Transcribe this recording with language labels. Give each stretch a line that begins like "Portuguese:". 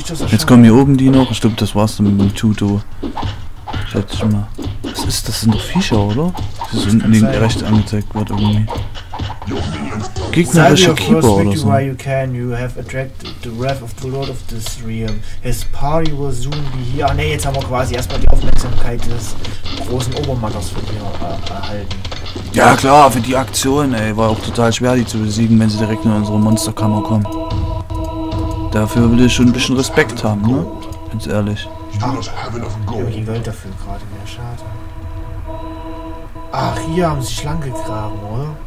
German: Jetzt kommen hier oben die noch. Stimmt, das war's dann mit dem Tuto. Schätze ich mal. Was ist das? Das sind doch Viecher, oder? Die sind unten rechts angezeigt worden irgendwie. Gegnerische Keeper oder so.
English: You can, you have attracted the wrath of the Lord of this realm. His party will soon be here.
German: Ah ne, jetzt haben wir quasi erstmal die Aufmerksamkeit des großen Obermatters von hier erhalten. Ja klar, für die Aktion, ey, war auch total schwer, die zu besiegen, wenn sie direkt in unsere Monsterkammer kommen. Dafür würde ich schon ein bisschen Respekt haben, ne? Ganz ehrlich. Ach, die Welt dafür gerade mehr, schade. Ach, hier haben sie sich lang gegraben, oder?